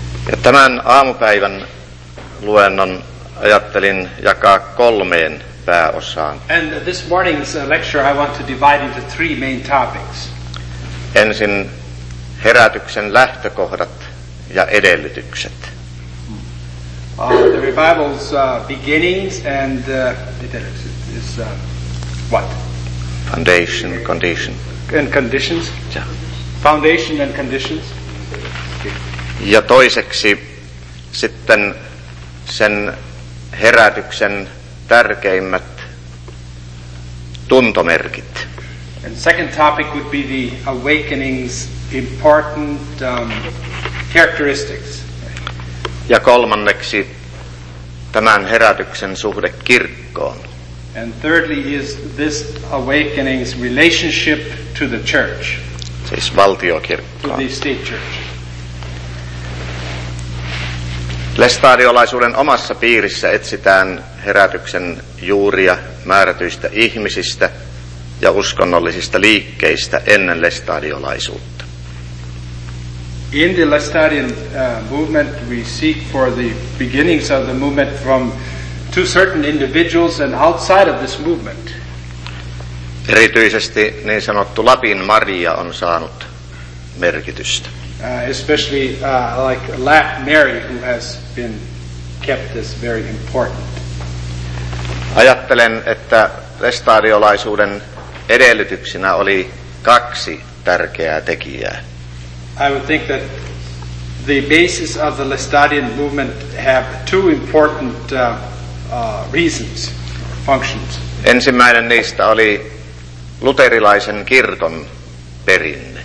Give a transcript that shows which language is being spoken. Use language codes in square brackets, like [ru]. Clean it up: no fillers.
[fi] Ja tämän aamupäivän luennon ajattelin jakaa kolmeen pääosaan. [en] And this morning's lecture I want to divide into three main topics. [fi] Ensin herätyksen lähtökohdat ja edellytykset. [en] The revival's beginnings and is what? Foundation, condition. And conditions? [fi] Ja. [en] Foundation and conditions. Okay. [fi] Ja toiseksi sitten sen herätyksen tärkeimmät tuntomerkit. [en] And second topic would be the awakening's important characteristics. [fi] Ja kolmanneksi tämän herätyksen suhde kirkkoon. [en] And thirdly is this awakening's relationship to the church. [fi] Siis valtiokirkkoon. [en] To the state church. [fi] Lestadiolaisuuden omassa piirissä etsitään herätyksen juuria määrätyistä ihmisistä ja uskonnollisista liikkeistä ennen lestadiolaisuutta. [en] In the Lestadian movement we seek for the beginnings of the movement from two certain individuals and outside of this movement. [fi] Erityisesti niin sanottu Lapin Maria on saanut merkitystä. [en] Especially like Lap Mary, who has been kept as very important. [fi] Ajattelen, että lestadiolaisuuden edellytyksinä oli kaksi tärkeää tekijää. [en] I would think that the basis of the Lestadian movement have two important reasons, functions. [fi] Ensimmäinen niistä oli luterilaisen kirkon perinne.